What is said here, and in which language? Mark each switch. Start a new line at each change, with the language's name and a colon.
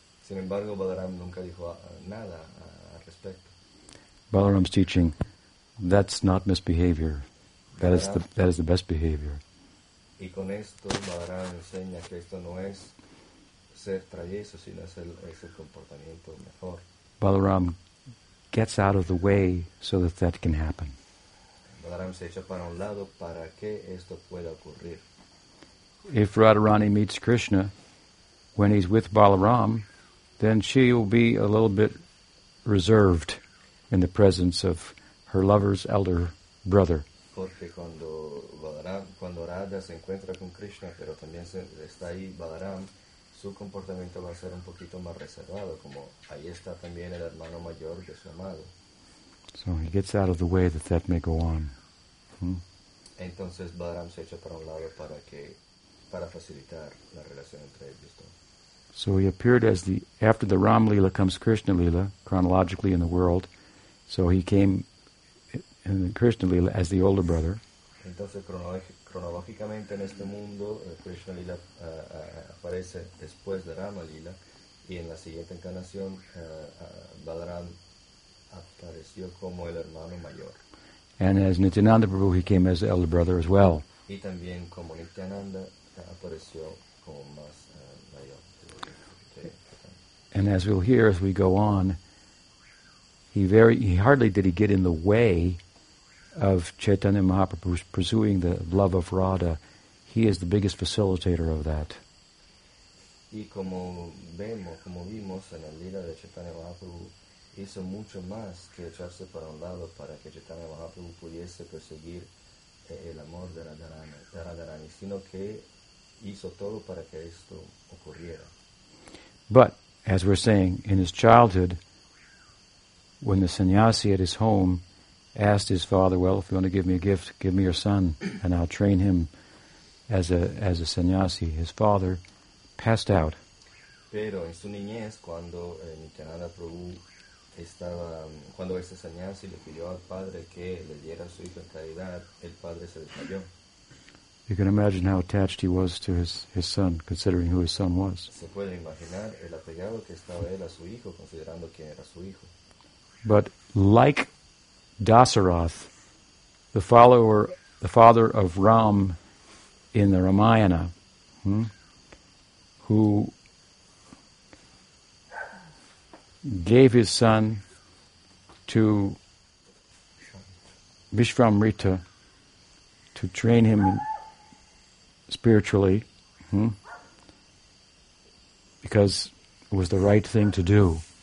Spanish: Sin embargo, Balaram nunca dijo nada al respecto.
English: Balaram's teaching, that's not misbehavior. That is the best behavior.
Spanish: Y con esto Balaram enseña que esto no es ser travieso, sino es el comportamiento mejor.
English: Balaram gets out of the way so that that can happen.
Spanish: Balaram se echa para un lado para que esto pueda ocurrir.
English: If Radharani meets Krishna when he's with Balaram, then she will be a little bit reserved in the presence of her lover's elder brother.
Spanish: Porque cuando Radha se encuentra con Krishna, pero también está ahí Balaram, su comportamiento va a ser un poquito más reservado, como ahí está también el hermano mayor de su amado.
English: So he gets out of the way that may go on.
Spanish: Entonces Balaram se echa para un lado para facilitar la relación entre ellos.
English: So he appeared after the Ram Lila comes Krishna Lila, chronologically in the world. So he came in the Krishna Lila as the older brother.
Spanish: Entonces cronológicamente en este mundo Krishna Lila aparece después de Rama Lila y en la siguiente encarnación Balaram apareció como el hermano mayor.
English: And as Nityananda Prabhu, he came as the elder brother as well.
Spanish: Y también como Nityananda apareció como más mayor.
English: And as we'll hear as we go on, he hardly did he get in the way of Chaitanya Mahaprabhu pursuing the love of Radha. He is the biggest facilitator of that.
Spanish: Y como vimos en el lila de Chaitanya Mahaprabhu, hizo mucho más que echarse para un lado para que Chaitanya Mahaprabhu pudiese perseguir el amor de Radharani, sino que hizo todo para que esto ocurriera.
English: But as we're saying, in his childhood, when the sannyasi at his home asked his father, well, if you want to give me a gift, give me your son, and I'll train him as a sannyasi. His father passed out.
Spanish: Pero en su niñez, cuando Nityananda Prabhu estaba, cuando ese sannyasi le pidió al padre que le diera su hijo en caridad, el padre se desmayó.
English: You can imagine how attached he was to his son, considering who his son was.
Spanish: Se puede imaginar el apegado que estaba él a su hijo, considerando quién era su hijo.
English: But like Dasarath, the father of Ram in the Ramayana, who gave his son to Vishvamrita to train him spiritually, because it was the right thing to do.